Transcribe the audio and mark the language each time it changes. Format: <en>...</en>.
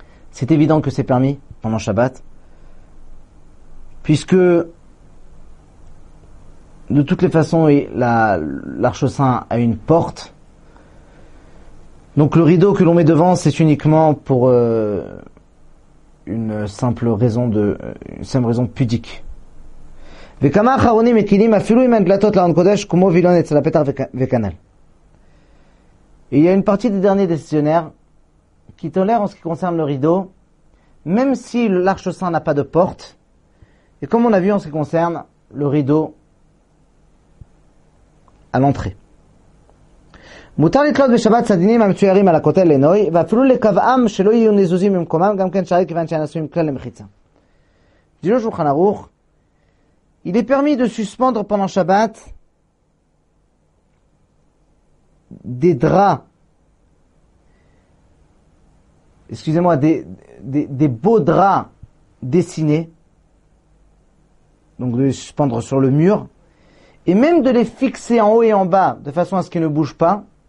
<fr>C'est évident que c'est permis pendant Shabbat. Puisque, de toutes les façons, l'Arche Saint a une porte. Donc le rideau que l'on met devant, c'est uniquement pour une simple raison pudique.</fr> <he>וכמה אחרונים מקינים אפילו אם הן דלתות לארון קודש כמו וילון אצל הפתח וכנל.</he> <fr>Il y a une partie des derniers décisionnaires qui tolèrent en ce qui concerne le rideau, même si l'arche saint n'a pas de porte, et comme on a vu en ce qui concerne le rideau à l'entrée.</fr> <he>מותר לתלות בשבת סדינים המצוירים על הכותל לנוי, ואפילו לקבעם שלא יהיו נזוזים במקומם, גם כן שערי כיוון שהם עשויים כלל למחיצה. דינו שולחן ערוך,</he> <fr>il est permis de suspendre pendant Shabbat des draps, excusez-moi, des beaux draps dessinés, donc de les suspendre sur le mur, et même de les fixer en haut et en bas de façon à ce qu'ils ne bougent pas.</fr>